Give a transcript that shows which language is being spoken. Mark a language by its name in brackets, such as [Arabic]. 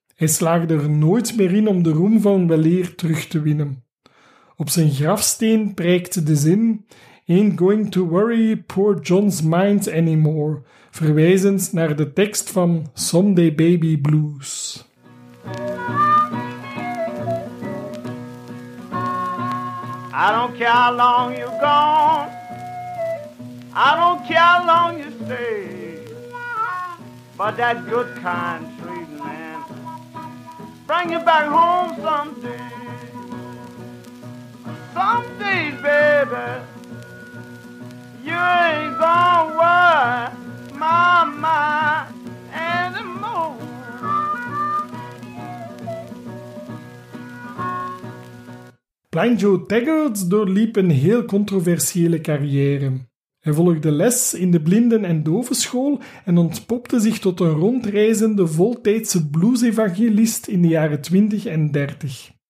[Dutch] Hij slaagde er nooit meer in om de roem van weleer terug te winnen. Op zijn grafsteen prijkte de zin [English] "Ain't going to worry poor John's mind anymore", [Dutch] verwijzend naar de tekst van Someday Baby Blues. [English] I don't care how long you're gone, I don't care how long you stay, but that good kind treatment, man, bring you back home someday. Someday, baby, you ain't gonna worry my mind anymore. [Dutch] Blind Joe Taggart doorliep een heel controversiële carrière. Hij volgde les in de blinden- en dovenschool en ontpopte zich tot een rondreizende voltijdse blues-evangelist in de jaren 20 en 30.